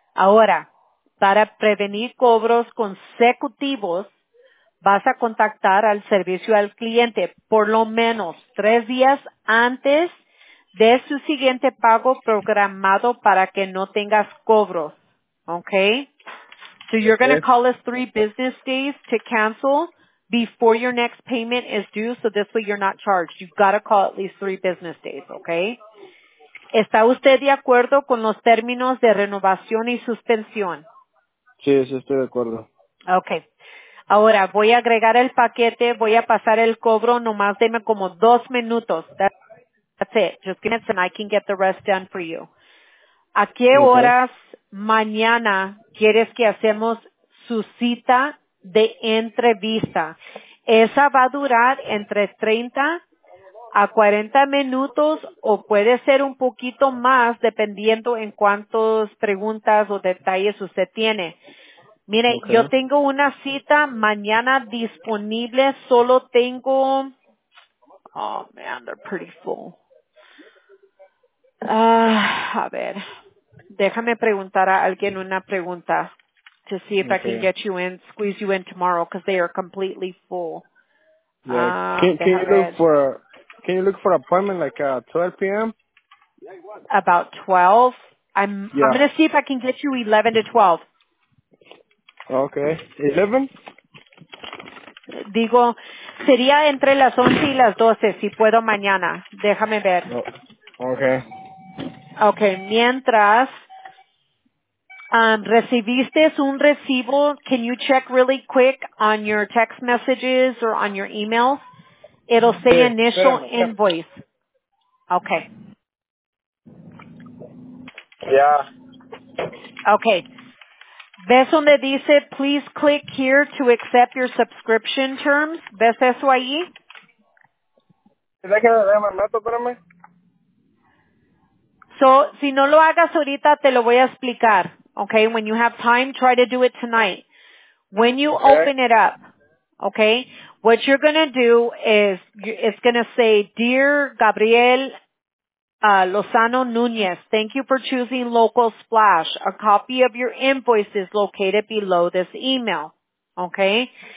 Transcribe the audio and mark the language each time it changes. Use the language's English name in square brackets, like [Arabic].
[Spanish] Ahora, para prevenir cobros consecutivos, vas a contactar al servicio al cliente por lo menos 3 días antes de su siguiente pago programado para que no tengas cobros. [English] Okay? So you're going to call us 3 business days to cancel before your next payment is due, so this way you're not charged. You've got to call at least 3 business days, okay? [Spanish] ¿Está usted de acuerdo con los términos de renovación y suspensión? Sí, sí estoy de acuerdo. Okay. Ahora, voy a agregar el paquete. Voy a pasar el cobro. Nomás deme como 2 minutos. [English] That's it. Just give me and I can get the rest done for you. [Spanish] ¿A qué horas mañana quieres que hacemos su cita de entrevista? Esa va a durar entre 30 a 40 minutos o puede ser un poquito más dependiendo en cuántas preguntas o detalles usted tiene. Mire, yo tengo una cita mañana disponible. Solo tengo... [English] Oh, man, they're pretty full. [Spanish] A ver... Déjame preguntar a alguien una pregunta [English] to see if I can get you in, squeeze you in tomorrow because they are completely full. Yeah. Can you look for an appointment like 12 p.m.? About 12? I'm going to see if I can get you 11 to 12. Okay. 11? [Spanish] Digo, sería entre las 11 y las 12 si puedo mañana. Déjame ver. [English] Okay. Okay, [Spanish] mientras... recibiste un recibo, [English] can you check really quick on your text messages or on your emails? It'll say initial invoice. Okay. Yeah. Okay. [Spanish] ¿Ves donde dice, [English] please click here to accept your subscription terms? [Spanish] ¿Ves eso ahí? ¿Es que me meto, espérame? So, si no lo hagas ahorita, te lo voy a explicar. [English] Okay, when you have time, try to do it tonight. When you open it up, okay, what you're going to do is it's going to say, Dear Gabriel Lozano Nunez, thank you for choosing Local Splash. A copy of your invoice is located below this email, okay?